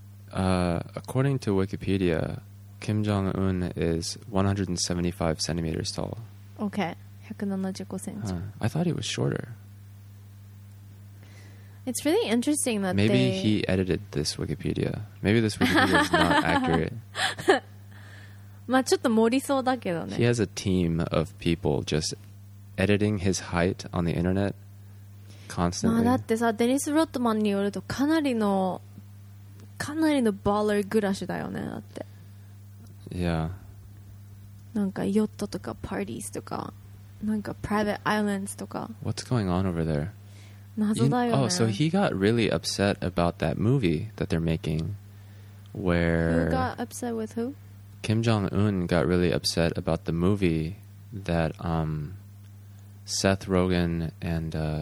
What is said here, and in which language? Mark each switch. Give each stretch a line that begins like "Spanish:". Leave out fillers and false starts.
English: According to Wikipedia, Kim Jong-un is 175 centimeters tall. Okay, 175 centimeters. I thought he was shorter. It's really interesting that maybe they... he edited this Wikipedia. Maybe this Wikipedia is not accurate.
Japanese: まあちょっと盛りそうだけどね。
English: He has a team of people just editing his height on the internet. Constantly.
Japanese: まあだってさ、デニス・ロッドマンによるとかなりのバーラー暮らしだよね、だって。いや。なんかヨットとかパーティースとか、なんかプライベートアイランドとか。
English: What's going on over there?
Japanese: 謎だよね。
English: Oh, so he got really upset about that movie that they're making, where... Who got upset with who? Kim Jong-un got really upset about the movie that Seth Rogen and...